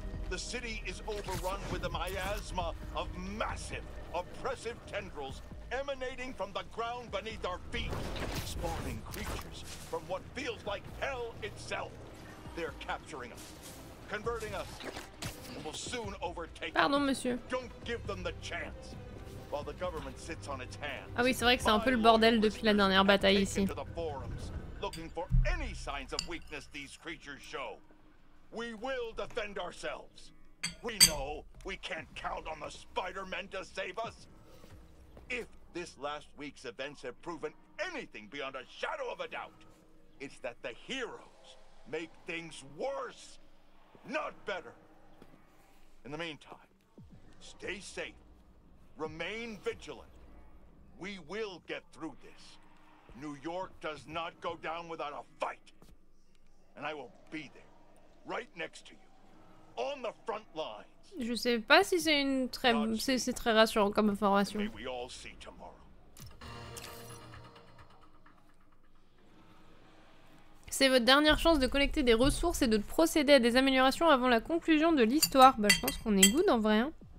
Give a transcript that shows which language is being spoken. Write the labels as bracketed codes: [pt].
[en] The city is overrun with a miasma of massive, oppressive tendrils emanating from the ground beneath our feet, spawning creatures from what feels like hell itself. They're capturing us, converting us, and will soon overtake [fr] us. Pardon, monsieur. [en] Don't give them the chance. While the government sits on its hands. [fr] Ah oui, c'est vrai que c'est un peu le bordel depuis la dernière bataille ici. [en] Looking for any signs of weakness these creatures show. We will defend ourselves. We know we can't count on the Spider-Men to save us. If this last week's events have proven anything beyond a shadow of a doubt, it's that the heroes make things worse, not better. In the meantime, stay safe. Remain vigilant. We will get through this. New York does not go down without a fight. And I will be there, right next to you, on the front lines. [fr] Je sais pas si c'est une très c'est très rassurant comme information. [en] May we all see tomorrow. [fr] C'est votre dernière chance de collecter des ressources et de procéder à des améliorations avant la conclusion de l'histoire. Bah, je pense qu'on est good en vrai, hein.